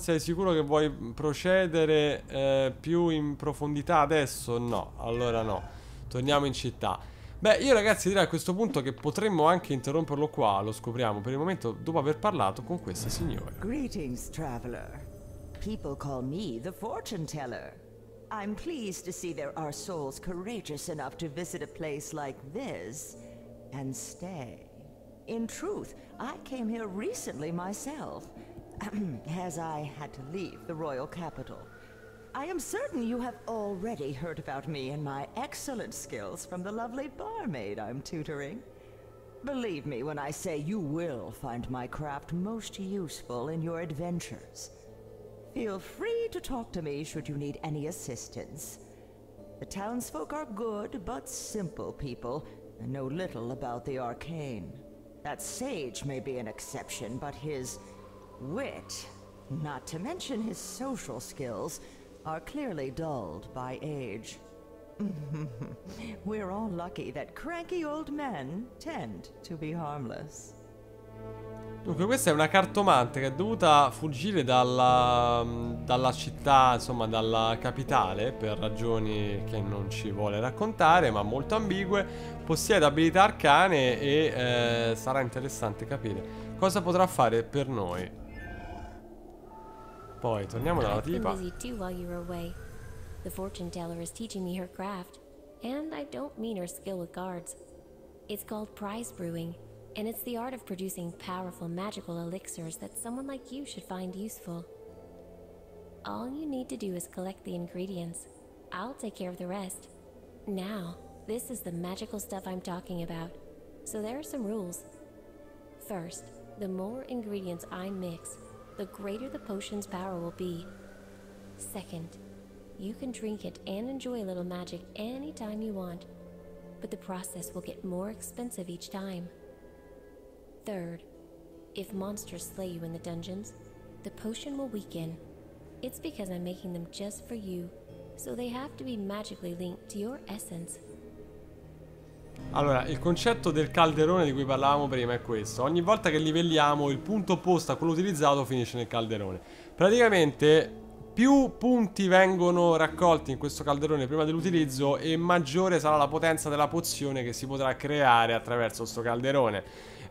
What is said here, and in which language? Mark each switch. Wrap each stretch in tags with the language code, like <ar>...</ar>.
<it>Sei sicuro che vuoi procedere più in profondità adesso? No, allora no. Torniamo in città. Beh, io ragazzi direi a questo punto che potremmo anche interromperlo qua. Lo scopriamo per il momento dopo aver parlato con questa signora.</it> <en>Greetings, traveler. People call me the fortune teller. I'm pleased to see there are souls courageous enough to visit a place like this and stay. In truth, I came here recently myself, as I had to leave the royal capital. I am certain you have already heard about me and my excellent skills from the lovely barmaid I'm tutoring. Believe me when I say you will find my craft most useful in your adventures. Feel free to talk to me should you need any assistance. The townsfolk are good, but simple people, and know little about the arcane. That sage may be an exception, but his wit, not to mention his social skills, are clearly dulled by age. We're all lucky that cranky old men tend to be harmless.</en> <it>Dunque, questa è una cartomante che è dovuta fuggire dalla città, insomma, dalla capitale, per ragioni che non ci vuole raccontare, ma molto ambigue. Possiede abilità arcane e sarà interessante capire cosa potrà fare per noi. Poi torniamo dalla tipa.</it> <en>I've been busy too while you were away. The fortune teller is teaching me her craft, and I don't mean her skill with guards. It's called prize brewing. And it's the art of producing powerful magical elixirs that someone like you should find useful. All you need to do is collect the ingredients. I'll take care of the rest. Now, this is the magical stuff I'm talking about. So there are some rules. First, the more ingredients I mix, the greater the potion's power will be. Second, you can drink it and enjoy a little magic anytime you want. But the process will get more expensive each time. Third, if monsters slay you in the dungeons, the potion will weaken. It's because I'm making them just for you, so they have to be magically linked to your essence.</en> <it>Allora, il concetto del calderone di cui parlavamo prima è questo. Ogni volta che livelliamo, il punto opposto a quello utilizzato finisce nel calderone. Praticamente, più punti vengono raccolti in questo calderone prima dell'utilizzo e maggiore sarà la potenza della pozione che si potrà creare attraverso questo calderone.</it>